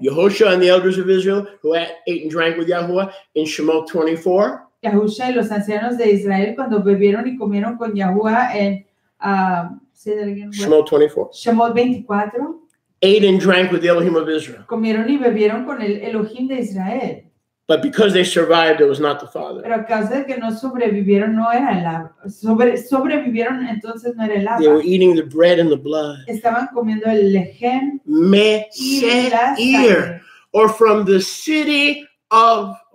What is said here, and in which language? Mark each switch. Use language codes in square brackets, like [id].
[en] Yehoshua and the elders of Israel who ate and drank with Yahuwah in Shemot 24. [es] Yehoshua y los ancianos de Israel cuando bebieron y comieron con Yahuwah en Shemot 24. Shemot 24. [en] Ate and drank with the Elohim of Israel. [es] Comieron y bebieron con el Elohim de Israel. [en] But because they survived, it was not the Father. [es] Pero a causa de que no sobrevivieron, no era el Abba. Sobrevivieron, entonces no era el Abba. [en] They were eating the bread and the blood. [es] Estaban comiendo el lehem. [en] Me se ir. Or from the city of.